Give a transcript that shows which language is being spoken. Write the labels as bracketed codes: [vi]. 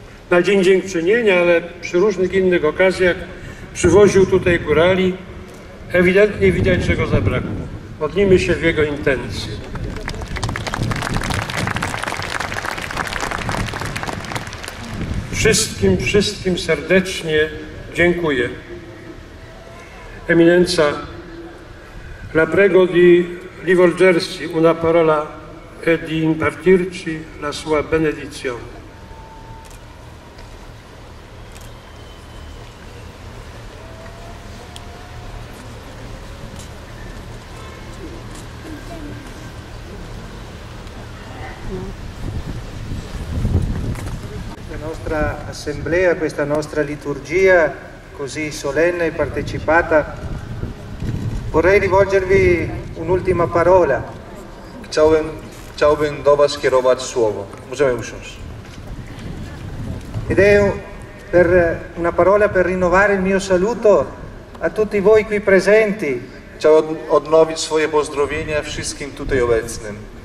[pl] Na Dzień Dziękczynienia, ale przy różnych innych okazjach przywoził tutaj górali. Ewidentnie widać, że go zabrakło. Modlimy się w jego intencji. Wszystkim serdecznie dziękuję. [it] Eminenza, la prego di rivolgersi una parola e di impartirci la sua benedizione. Assemblea, questa nostra liturgia così solenne e partecipata, vorrei rivolgervi un'ultima parola. [pl] Chciałbym do was kierować słowo. Możemy usiąść. [it] Ed è per una parola per rinnovare il mio saluto a tutti voi qui presenti. [pl] Chciałbym odnowić swoje pozdrowienia wszystkim tutaj obecnym.